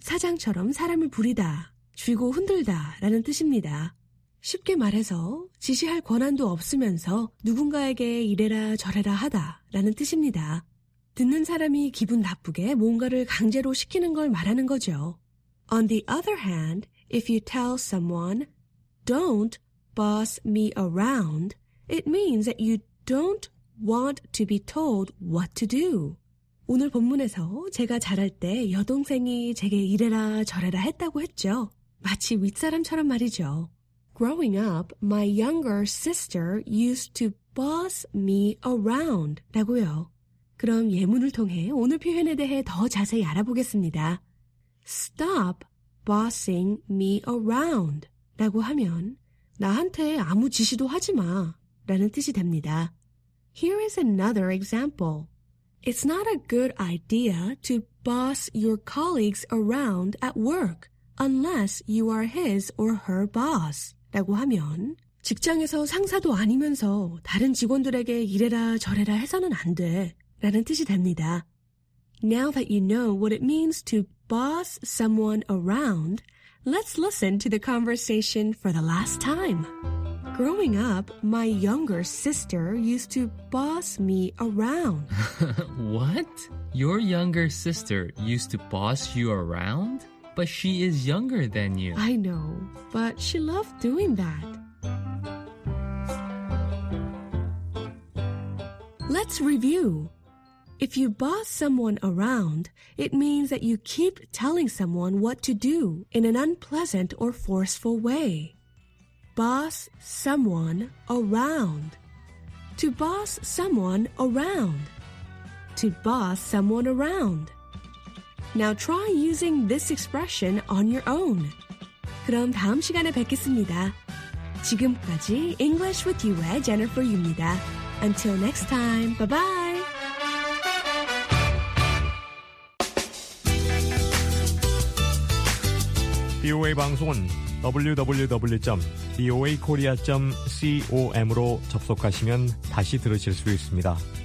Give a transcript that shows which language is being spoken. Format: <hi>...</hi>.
<ko>사장처럼 사람을 부리다, 쥐고 흔들다 라는 뜻입니다. 쉽게 말해서 지시할 권한도 없으면서 누군가에게 이래라 저래라 하다라는 뜻입니다. 듣는 사람이 기분 나쁘게 뭔가를 강제로 시키는 걸 말하는 거죠.</ko> <en>On the other hand, if you tell someone, don't boss me around, it means that you don't want to be told what to do.</en> <ko>오늘 본문에서 제가 자랄 때 여동생이 제게 이래라 저래라 했다고 했죠. 마치 윗사람처럼 말이죠.</ko> <en>Growing up, my younger sister used to boss me around.</en> <ko>라고요. 그럼 예문을 통해 오늘 표현에 대해 더 자세히 알아보겠습니다.</ko> <en>Stop bossing me around.</en> <ko>라고 하면 나한테 아무 지시도 하지 마. 라는 뜻이 됩니다.</ko> <en>Here is another example. It's not a good idea to boss your colleagues around at work unless you are his or her boss.</en> <ko>라고 하면 직장에서 상사도 아니면서 다른 직원들에게 이래라 저래라 해서는 안 돼 라는 뜻이 됩니다.</ko> <en>Now that you know what it means to boss someone around, let's listen to the conversation for the last time. Growing up, my younger sister used to boss me around. What? Your younger sister used to boss you around? But she is younger than you. I know, but she loved doing that. Let's review. If you boss someone around, it means that you keep telling someone what to do in an unpleasant or forceful way. Boss someone around. To boss someone around. To boss someone around. Now try using this expression on your own.</en> <ko>그럼 다음 시간에 뵙겠습니다. 지금까지 English with You의 Jennifer Yu입니다.</ko> <en>Until next time, bye-bye!</en> <ko>BOA 방송은 www.boakorea.com으로 접속하시면 다시 들으실 수 있습니다.</ko>